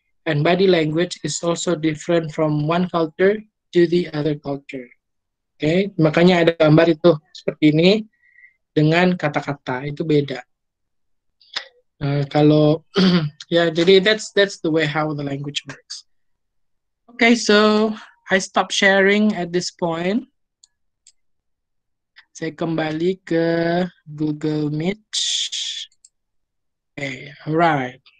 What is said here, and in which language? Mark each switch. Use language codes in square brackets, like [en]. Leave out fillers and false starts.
[en] And body language is also different from one culture to the other culture. Okay? [id] Makanya ada gambar itu seperti ini dengan kata-kata. Itu beda. Kalau ya, jadi [en] that's the way how the language works. Okay, so I stop sharing at this point. [id] Saya kembali ke Google Meet. [en] Okay, all right.